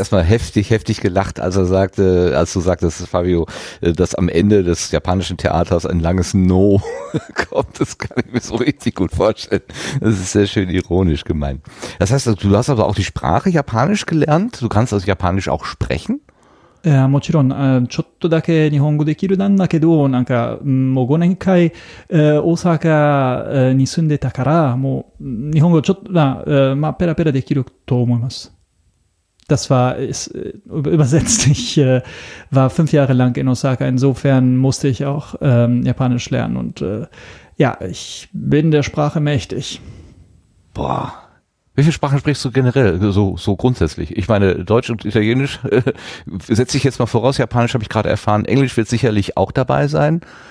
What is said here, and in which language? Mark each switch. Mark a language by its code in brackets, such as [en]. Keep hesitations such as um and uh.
[de] erstmal heftig, heftig gelacht, als er sagte, als du sagtest, Fabio, äh, dass am Ende des japanischen Theaters ein langes No kommt. Das kann ich mir so richtig gut vorstellen. Das ist sehr schön ironisch gemeint. Das heißt, du hast aber auch die Sprache Japanisch gelernt. Du kannst also Japanisch auch sprechen. [ja] いやもちろん、あちょっとだけ日本語できるなんだけど、なんか、うんもう5年間、えー大阪えーに住んでたから、もう、うん日本語ちょっと、まあえー、まあ、ペラペラできると思います。 [de] Das war, ist, äh, übersetzt, ich äh, war fünf Jahre lang in Osaka, insofern musste ich auch ähm, Japanisch lernen und äh, ja, ich bin der Sprache mächtig. Boah. Welche Sprachen sprichst du generell, so, so grundsätzlich? Ich meine, Deutsch und Italienisch äh, setze ich jetzt mal voraus, Japanisch habe ich gerade erfahren, Englisch wird sicherlich auch dabei sein.